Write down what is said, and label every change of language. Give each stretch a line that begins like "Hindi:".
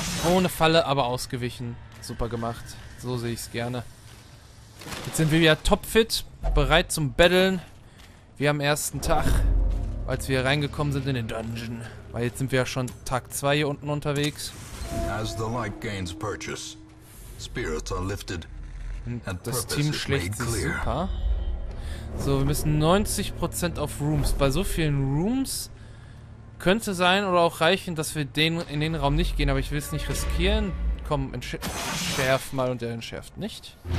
German: Ohne Falle, aber ausgewichen. Super gemacht. So sehe ich es gerne. Jetzt sind wir wieder topfit, bereit zum Battlen. Wir am ersten Tag, als wir reingekommen sind in den Dungeon. Weil jetzt sind wir ja schon Tag 2 hier unten unterwegs.
English: As the light gains purchase, spirits are lifted.
German: Und das Team schlägt sich super. So, wir müssen 90% auf Rooms. Bei so vielen Rooms könnte sein oder auch reichen, dass wir in den Raum nicht gehen. Aber ich will es nicht riskieren. Komm, entschärf mal und er entschärft nicht.